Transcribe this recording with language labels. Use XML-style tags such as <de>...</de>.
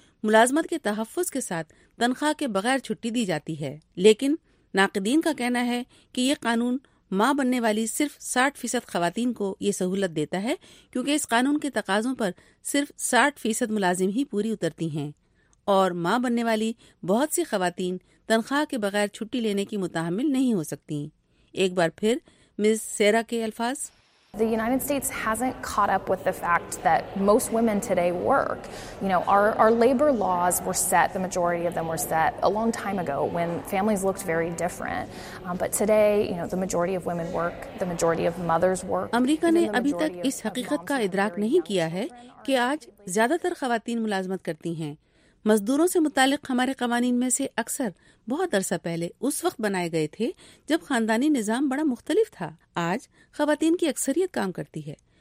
<ur>ملازمت کے تحفظ کے ساتھ تنخواہ کے بغیر چھٹی دی جاتی ہے۔ لیکن ناقدین کا کہنا ہے کہ یہ قانون ماں بننے والی صرف 60% خواتین کو یہ سہولت دیتا ہے، کیونکہ اس قانون کے تقاضوں پر صرف 60% ملازم ہی پوری اترتی ہیں، اور ماں بننے والی بہت سی خواتین تنخواہ کے بغیر چھٹی لینے کی متحمل نہیں ہو سکتی۔ ایک بار پھر مس سیرا کے الفاظ،</ur> <en>The United States hasn't caught up with the fact that most women today work. You know, our labor laws were set, the majority of them were set a long time ago when families looked very different. But today, you know, the majority of women work, the majority of mothers work.</en> <ur>امریکہ نے ابھی تک اس حقیقت کا ادراک نہیں کیا ہے کہ آج زیادہ تر خواتین ملازمت کرتی ہیں۔ مزدوروں سے متعلق ہمارے قوانین میں سے اکثر بہت عرصہ پہلے اس وقت بنائے گئے تھے جب خاندانی نظام بڑا مختلف تھا۔ آج خواتین کی اکثریت کام کرتی ہے،</ur>